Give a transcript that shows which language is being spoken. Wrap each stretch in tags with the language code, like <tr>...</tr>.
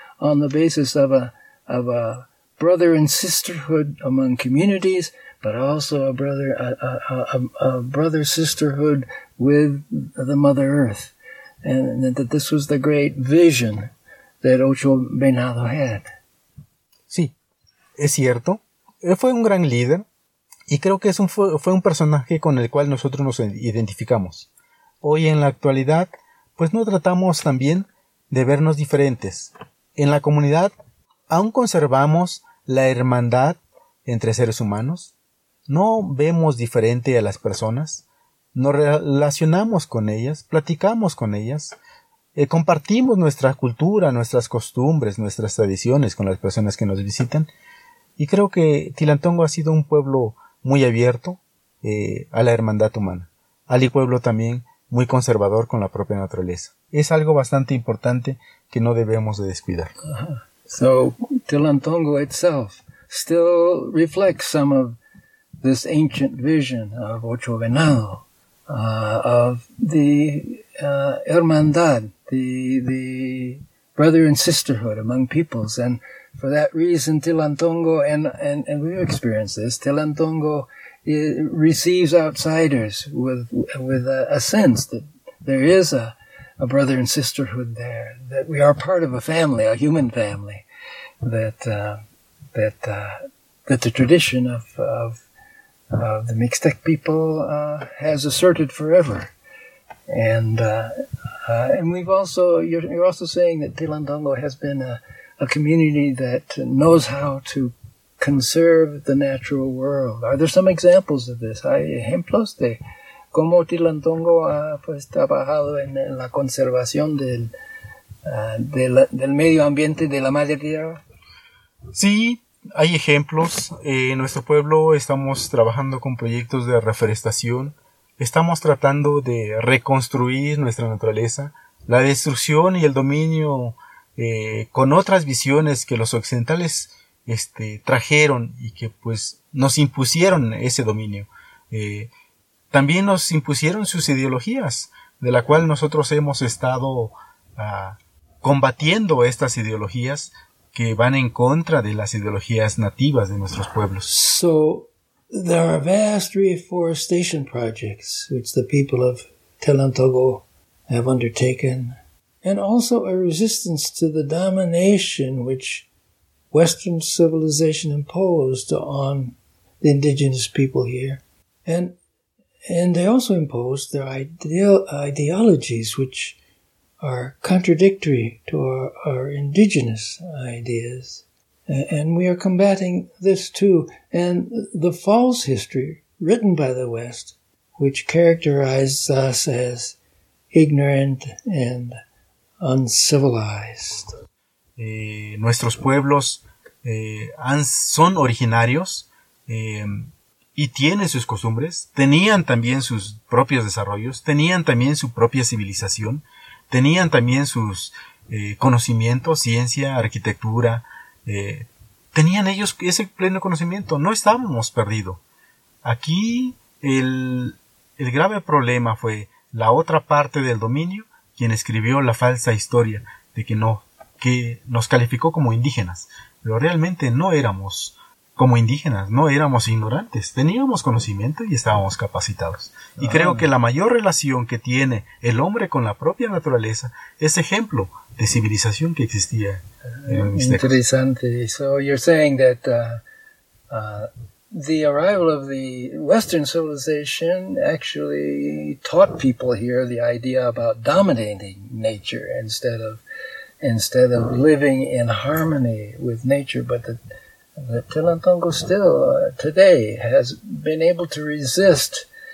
<en>on the basis of a brother and sisterhood among communities, but also a brother sisterhood with the Mother Earth, and that this was the great vision that Ocho Venado had.</en> <es>Sí, es cierto. Él fue un gran líder y creo que fue un personaje con el cual nosotros nos identificamos. Hoy en la actualidad, pues no tratamos también de vernos diferentes. En la comunidad aún conservamos la hermandad entre seres humanos. No vemos diferente a las personas, nos relacionamos con ellas, platicamos con ellas, compartimos nuestra cultura, nuestras costumbres, nuestras tradiciones con las personas que nos visitan. Y creo que Tilantongo ha sido un pueblo muy abierto a la hermandad humana, al pueblo también muy conservador con la propia naturaleza. Es algo bastante importante que no debemos de descuidar.</es> <en>So, Tilantongo itself still reflects some of this ancient vision of Ocho Venado, of the hermandad, the brother and sisterhood among peoples. And for that reason, Tilantongo, and we've experienced this, Tilantongo receives outsiders with a sense that there is a brother and sisterhood there, that we are part of a family, a human family, that the tradition of the Mixtec people has asserted forever. And we've also, you're also saying that Tilantongo has been a community that knows how to conserve the natural world. Are there some examples of this?</en> <es>¿Hay ejemplos de cómo Tilantongo ha pues, trabajado en la conservación del medio ambiente de la Madre Tierra? Sí, hay ejemplos. En nuestro pueblo estamos trabajando con proyectos de reforestación. Estamos tratando de reconstruir nuestra naturaleza. La destrucción y el dominio con otras visiones que los occidentales trajeron y que pues nos impusieron ese dominio. También nos impusieron sus ideologías, de la cual nosotros hemos estado combatiendo estas ideologías que van en contra de las ideologías nativas de nuestros pueblos.</es> <en>So, there are vast reforestation projects which the people of Telantogo have undertaken, and also a resistance to the domination which Western civilization imposed on the indigenous people here. And they also imposed their ideologies, which are contradictory to our indigenous ideas. And we are combating this too. And the false history written by the West, which characterizes us as ignorant and uncivilized.</en> <es>Nuestros pueblos son originarios y tienen sus costumbres, tenían también sus propios desarrollos, tenían también su propia civilización, tenían también sus conocimientos, ciencia, arquitectura, tenían ellos ese pleno conocimiento, no estábamos perdidos. Aquí el grave problema fue la otra parte del dominio, quien escribió la falsa historia de que no, que nos calificó como indígenas. Pero realmente no éramos como indígenas, no éramos ignorantes. Teníamos conocimiento y estábamos capacitados. Y creo que la mayor relación que tiene el hombre con la propia naturaleza es ejemplo de civilización que existía en los mixtecos. Interesante.</es> <en>So you're saying that the arrival of the Western civilization actually taught people here the idea about dominating nature instead of living in harmony with nature, but the Telantongo still today has been able to resist</en>